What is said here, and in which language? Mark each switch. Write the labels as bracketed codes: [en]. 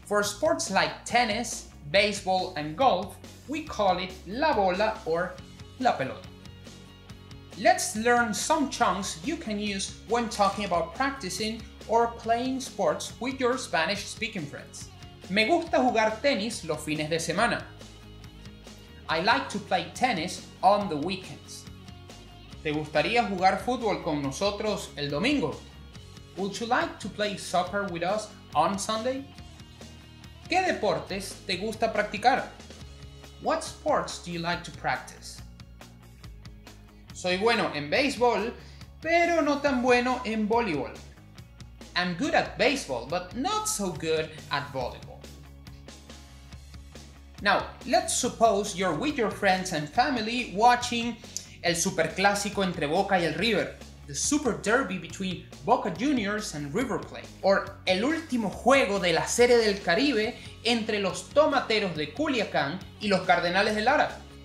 [en] For sports like tennis, baseball, and golf, we call it la bola or la pelota. Let's learn some chunks you can use when talking about practicing or playing sports with your Spanish speaking friends. [es] Me gusta jugar tenis los fines de semana. [en] I like to play tennis on the weekends. [es] ¿Te gustaría jugar fútbol con nosotros el domingo? [en] Would you like to play soccer with us on Sunday? [es] ¿Qué deportes te gusta practicar? [en] What sports do you like to practice? [es] Soy bueno en baseball, pero no tan bueno en voleibol. [en] I'm good at baseball, but not so good at volleyball. Now, let's suppose you're with your friends and family watching [es] el superclásico entre Boca y el River, [en] the super derby between Boca Juniors and River Plate, or [es] el último juego de la Serie del Caribe entre los Tomateros de Culiacán y los Cardenales de Lara.